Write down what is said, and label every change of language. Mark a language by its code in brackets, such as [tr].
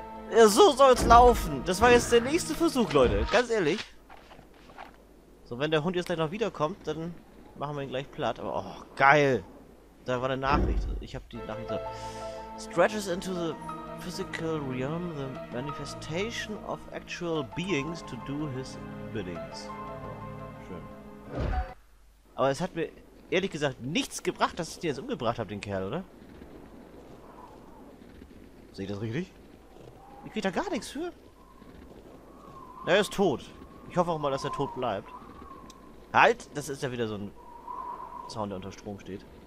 [de] Ja, so soll's laufen. Das war jetzt der nächste Versuch, Leute. Ganz ehrlich. So, wenn der Hund jetzt gleich noch wiederkommt, dann machen wir ihn gleich platt. Aber, oh, geil. Da war eine Nachricht. Ich habe die Nachricht gesagt. [en] Stretches into the physical realm, the manifestation of actual beings to do his biddings. [de] Schön. Aber es hat mir ehrlich gesagt nichts gebracht, dass ich den jetzt umgebracht habe, den Kerl, oder? Sehe ich das richtig? Ich krieg da gar nichts für. Na, er ist tot. Ich hoffe auch mal, dass er tot bleibt. Halt! Das ist ja wieder so ein Zaun, der unter Strom steht.